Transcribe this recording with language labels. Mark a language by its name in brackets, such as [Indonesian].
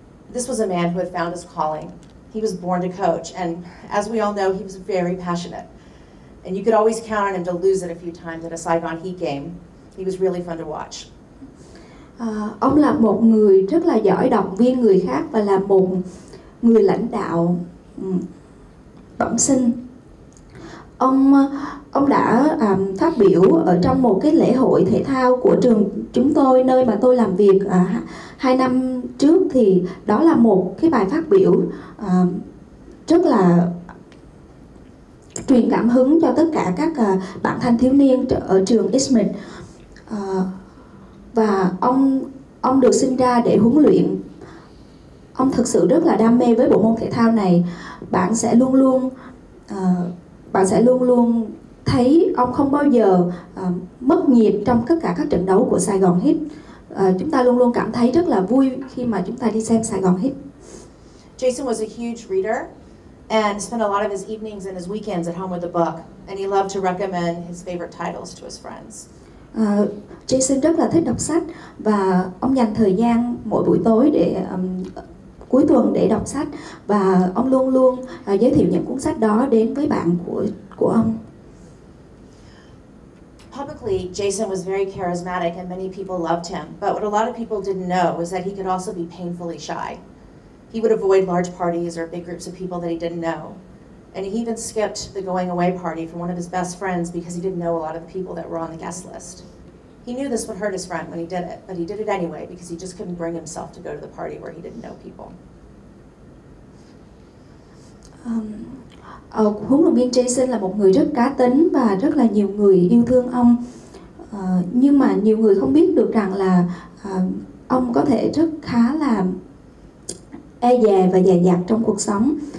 [English] This was a man who had found his calling. He was born to coach, and as we all know, he was very passionate. And you could always count on him to lose it a few times at a Saigon Heat game. He was really fun to watch. [Vietnamese] Ông là một người rất là giỏi động viên người khác và là một người lãnh đạo bẩm sinh. Ông đã phát biểu ở trong một cái lễ hội thể thao của trường chúng tôi, nơi mà tôi làm việc 2 năm trước, thì đó là một cái bài phát biểu rất là truyền cảm hứng cho tất cả các bạn thanh thiếu niên ở trường Ismith. Và ông được sinh ra để huấn luyện. Ông thực sự rất là đam mê với bộ môn thể thao này. Bạn sẽ luôn luôn thấy ông không bao giờ mất nhịp trong tất cả các trận đấu của Saigon Heat. Chúng ta luôn luôn cảm thấy rất là vui khi mà chúng ta đi xem Saigon Heat. [English] Jason was a huge reader and spent a lot of his evenings and his weekends at home with a book, and he loved to recommend his favorite titles to his friends. [Vietnamese] Jason rất là thích đọc sách, và ông dành thời gian mỗi buổi tối để cuối tuần để đọc sách, và ông luôn luôn giới thiệu những cuốn sách đó đến với bạn của ông. [English] Publicly, Jason was very charismatic and many people loved him, but what a lot of people didn't know was that he could also be painfully shy. He would avoid large parties or big groups of people that he didn't know. And he even skipped the going away party for one of his best friends because he didn't know a lot of the people that were on the guest list. He knew this would hurt his friend when he did it, but he did it anyway because he just couldn't bring himself to go to the party where he didn't know people. [Vietnamese] Huấn luyện viên Jason là một người rất cá tính và rất là nhiều người yêu thương ông. Nhưng mà nhiều người không biết được rằng là ông có thể rất khá là e dè và dè dặt trong cuộc sống.